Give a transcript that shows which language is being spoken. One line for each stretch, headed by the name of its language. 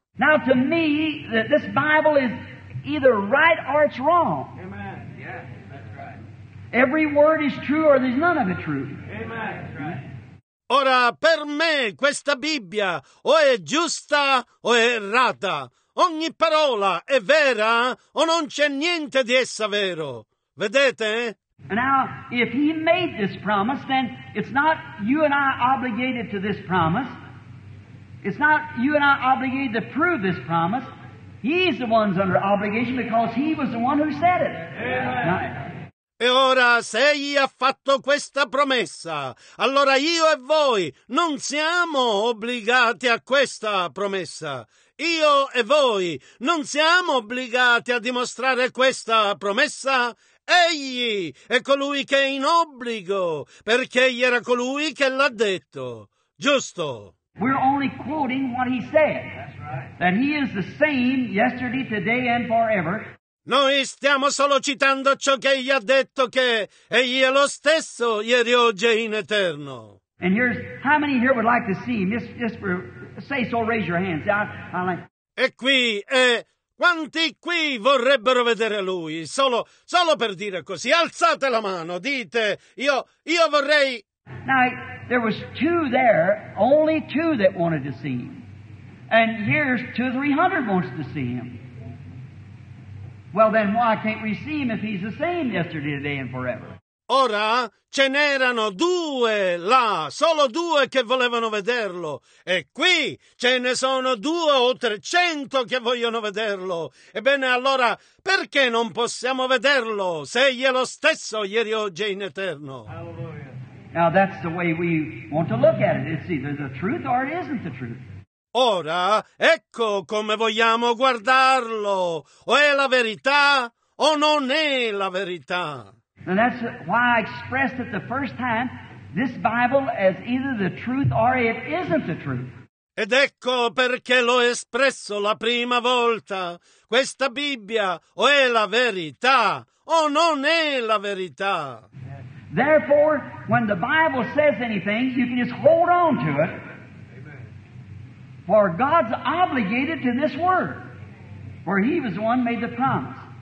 English: Now to me, this Bible is either right or it's wrong. Amen. Yeah, that's right. Every word is true or there's none of it true. Amen. That's right.
Italian: Ora, per me, questa Bibbia o è giusta o è errata. Ogni parola è vera o non c'è niente di essa vero. Vedete?
English: Now, if he made this promise, then it's not you and I obligated to this promise. It's not you and I obligated to prove this promise. He's the one's under obligation because he was the one who said it.
Italian: E ora, se egli ha fatto questa promessa, allora io e voi non siamo obbligati a questa promessa. Io e voi non siamo obbligati a dimostrare questa promessa. Egli è colui che è in obbligo, perché egli era colui che l'ha detto. Giusto?
English: We're only quoting what he said. That he is the same yesterday, today, and forever.
Italian: Noi stiamo solo citando ciò che egli ha detto, che egli è lo stesso ieri, oggi e in eterno.
English: And here's how many here would like to see him? Just for, say so, raise your hands. I like.
Italian: E qui è Quanti qui vorrebbero vedere lui? Solo per dire così. Alzate la mano, dite, io vorrei.
English: Now, there was two there, only two that wanted to see him. And here's 200 or 300 wants to see him. Well then, why can't we see him if he's the same yesterday, today and forever?
Italian: Ora ce n'erano due là, solo due che volevano vederlo. E qui ce ne sono 200 o 300 che vogliono vederlo. Ebbene, allora, perché non possiamo vederlo se egli è lo stesso ieri, oggi e in eterno?
English: Hallelujah. Now that's the way we want to look at it. It's either the truth or it isn't the truth.
Italian: Ora, ecco come vogliamo guardarlo. O è la verità o non è la verità.
English: And that's why I expressed it the first time, this Bible as either the truth or it isn't the truth.
Italian: Ed ecco perché l'ho espresso la prima volta. Questa Bibbia o è la verità o non è la verità.
English: Therefore, when the Bible says anything, you can just hold on to it. For God's obligated to this word. For he was the one who made the promise.